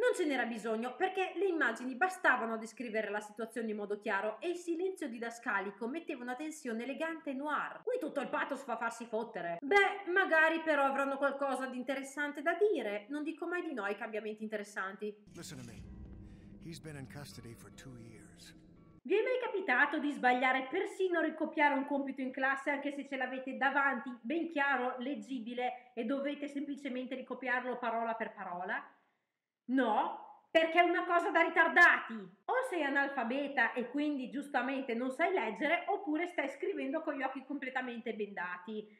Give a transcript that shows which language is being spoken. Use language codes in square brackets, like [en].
[it] Non ce n'era bisogno, perché le immagini bastavano a descrivere la situazione in modo chiaro e il silenzio didascalico metteva una tensione elegante e noir. Qui tutto il pathos fa farsi fottere. Beh, magari però avranno qualcosa di interessante da dire. Non dico mai di no ai cambiamenti interessanti. [en] Listen to me. He's been in custody for 2 years. [it] Vi è mai capitato di sbagliare persino ricopiare un compito in classe anche se ce l'avete davanti, ben chiaro, leggibile e dovete semplicemente ricopiarlo parola per parola? No, perché è una cosa da ritardati! O sei analfabeta e quindi giustamente non sai leggere oppure stai scrivendo con gli occhi completamente bendati.